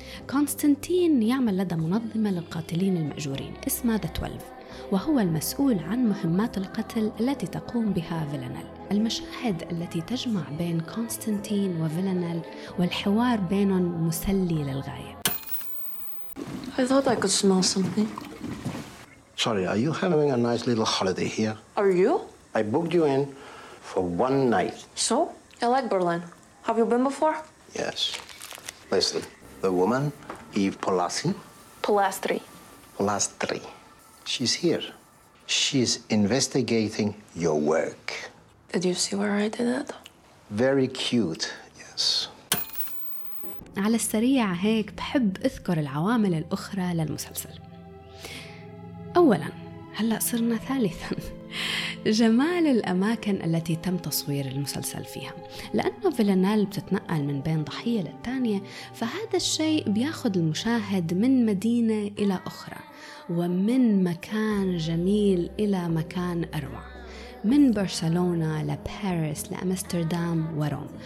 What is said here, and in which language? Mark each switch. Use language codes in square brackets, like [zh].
[ar] كونستانتين يعمل لدى منظمة للقاتلين المأجورين اسمها The 12، وهو المسؤول عن مهمات القتل التي تقوم بها فيلانيل. المشاهد التي تجمع بين كونستانتين وفيلانيل والحوار بينهم مسلي للغاية. [en] I thought I could smell something. Sorry, are you having a nice little holiday here? Are you? I booked you in for one night. So? I like Berlin. Have you been before? Yes. Listen, the woman, Eve Pollastri. Pollastri. Pollastri. She's here. She's investigating your work. Did you see where I did it? Very cute. Yes. [ar] على السريع هيك بحب أذكر العوامل الأخرى للمسلسل. أولاً، هلأ صرنا ثالثاً، جمال الأماكن التي تم تصوير المسلسل فيها. لأن فيلانيل بتتنقل من بين ضحية للتانية، فهذا الشيء بياخد المشاهد من مدينة إلى أخرى، ومن مكان جميل إلى مكان أروع، من برشلونة لباريس لأمستردام وروم.